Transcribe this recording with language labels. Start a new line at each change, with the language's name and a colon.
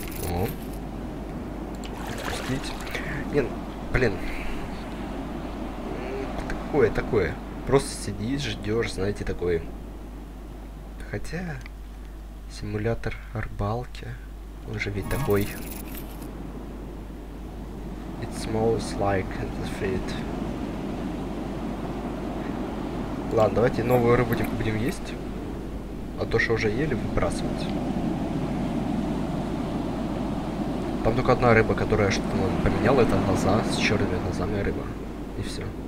Russian: О. Отпустить. Нет, блин. Такое, такое. Просто сидишь, ждешь, знаете, такой. Хотя, симулятор рыбалки, он же ведь такой.
English: It smells like the fruit.
Russian: Ладно, давайте новую рыбу будем есть. А то, что уже ели, выбрасывать. Там только одна рыба, которая что-то нам поменяла, это глаза, с черными глазами рыба. И все.